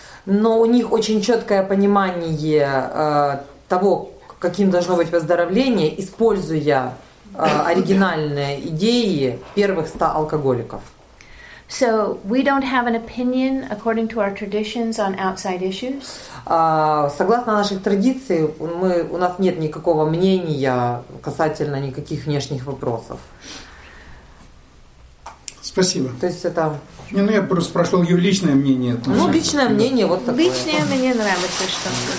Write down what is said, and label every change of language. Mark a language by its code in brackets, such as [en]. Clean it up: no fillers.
[ru] Но у них очень четкое понимание того, каким должно быть выздоровление, используя оригинальные идеи первых 100 алкоголиков. [en] So we don't have an opinion according to our traditions on outside issues. [ru] Согласно нашей традиции, у нас нет никакого мнения касательно никаких внешних вопросов. Спасибо. То есть это. Не, ну я просто спрашивал ее личное мнение. Ну, личное мнение, вот такое. Личное мне нравится, что.